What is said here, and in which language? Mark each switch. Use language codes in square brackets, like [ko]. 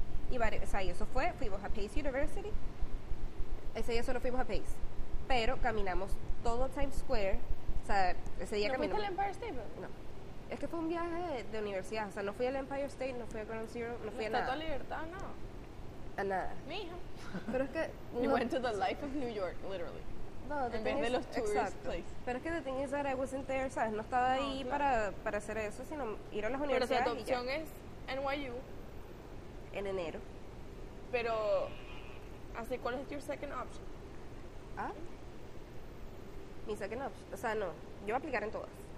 [es] Y varios, o sea, y eso fue, fuimos a Pace University. Ese día solo fuimos a Pace. Pero caminamos todo Times Square. O sea, ese día ¿no caminamos? ¿No fuiste al Empire State? No. Es que fue un viaje de universidad. O sea, no fui al Empire State, no fui a Ground Zero, no fui a nada. ¿Está toda libertad? No. A nada. Mija. Pero es que. No. [en] You went to the life of New York, literally. [es] No, en vez de los tourist exacto. [en] Place. [es] Pero es que [en] the thing is that I wasn't there, [es] ¿sabes? No estaba ahí, claro, para hacer eso, sino ir a las universidades. Pero si tu opción es NYU. En enero. Pero así, ¿cuál es tu [en] second option? [es] ¿Ah? Mi [en] second option, [es] o sea, no, yo voy a aplicar en todas.